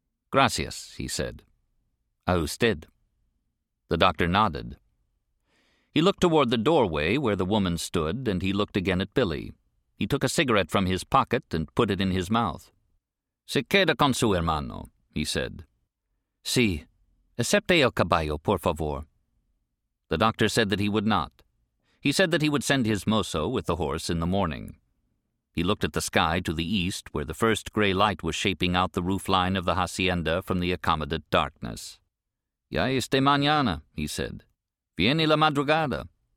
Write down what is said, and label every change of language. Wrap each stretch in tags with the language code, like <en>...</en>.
<es>Gracias,</es> <en>he said.</en> <es>A usted.</es> <en>The doctor nodded. He looked toward the doorway where the woman stood, and he looked again at Billy. He took a cigarette from his pocket and put it in his mouth.</en> <es>Se queda con su hermano,</es> <en>he said.</en> <es>Sí, acepte el caballo, por favor.</es> <en>The doctor said that he would not. He said that he would send his mozo with the horse in the morning. He looked at the sky to the east, where the first gray light was shaping out the roof line of the hacienda from the accommodate darkness.</en> <es>Ya este mañana,</es> <en>he said.</en> <es>Viene la madrugada.</es>